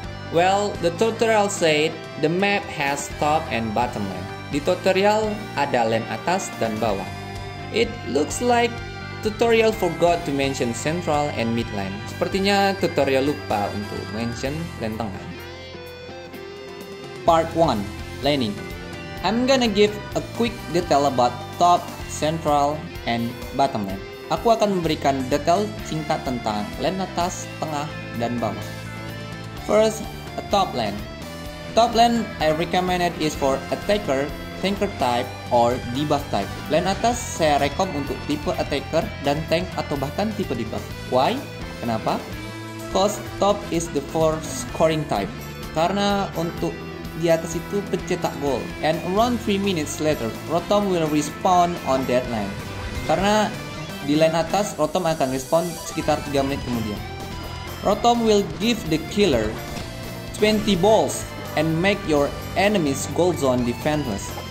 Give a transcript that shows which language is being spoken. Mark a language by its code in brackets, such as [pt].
[en] Well, the tutorial said the map has top and bottom land. [id] Di tutorial ada land atas dan bawah. [en] It looks like tutorial forgot to mention central and mid land. [id] Sepertinya tutorial lupa untuk mention land tengah. [en] Part 1, landing. I'm gonna give a quick detail about top, central, and bottom land. [id] Aku akan memberikan detail singkat tentang land atas, tengah, dan bawah. [en] First, a top lane. Top lane I recommended is for attacker, tanker type, or debuff type. [id] Lane atas saya rekom untuk tipe attacker dan tank atau bahkan tipe debuff. [en] Why? [id] Kenapa? [en] Cause top is the for scoring type. [id] Karena untuk di atas itu pencetak gol. [en] And around 3 minutes later, Rotom will respawn on that lane. [id] Karena di lane atas, Rotom akan respawn sekitar 3 menit kemudian. [en] Rotom will give the killer 20 balls and make your enemy's gold zone defenseless.